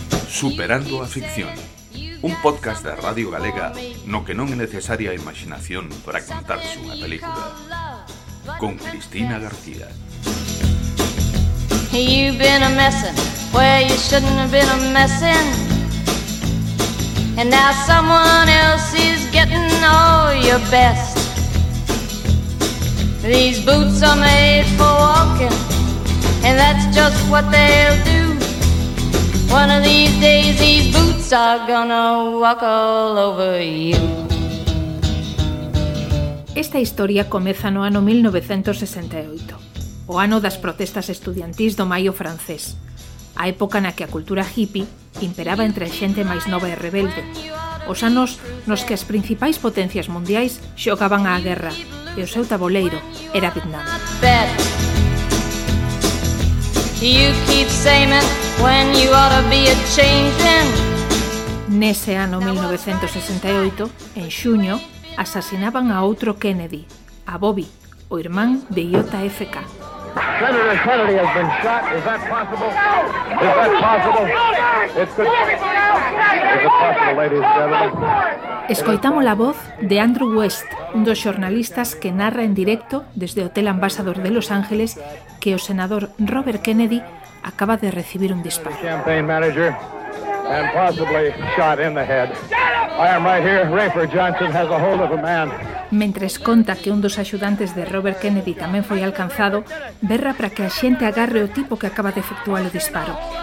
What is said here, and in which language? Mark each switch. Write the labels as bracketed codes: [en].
[gl] Superando a Ficción, un podcast da Radio Galega no que non é necesaria imaginación para contarse unha película, con Cristina García. [en] You've been a messin' where you shouldn't have been a messin', and now someone else is getting all your best. These boots are made for walking, and that's just what they'll do. One of these days these boots are gonna walk all over you. [gl] Esta historia comeza no ano 1968, o ano das protestas estudiantís do Maio Francés, a época na que a cultura hippie imperaba entre a xente máis nova e rebelde, os anos nos que as principais potencias mundiais xogaban á guerra e o seu taboleiro era Vietnam. [en] You keep saying when you ought to be a changing. [gl] Nese ano 1968, en xuño, asasinaban a outro Kennedy, a Bobby, o irmán de JFK. [en] Senator Kennedy has been shot. Is that possible? Is that possible? It's good. Is it possible, ladies and gentlemen? [gl] Escoitamos la voz de Andrew West, un dos xornalistas que narra en directo desde o Hotel Ambassador de Los Ángeles que o senador Robert Kennedy acaba de recibir un disparo. [en] Campaign manager and possibly shot in the head. I am right here. Rafer Johnson has a hold of a man. [gl] Mentres conta que un dos axudantes de Robert Kennedy tamén foi alcanzado, berra para que a xente agarre o tipo que acaba de efectuar o disparo.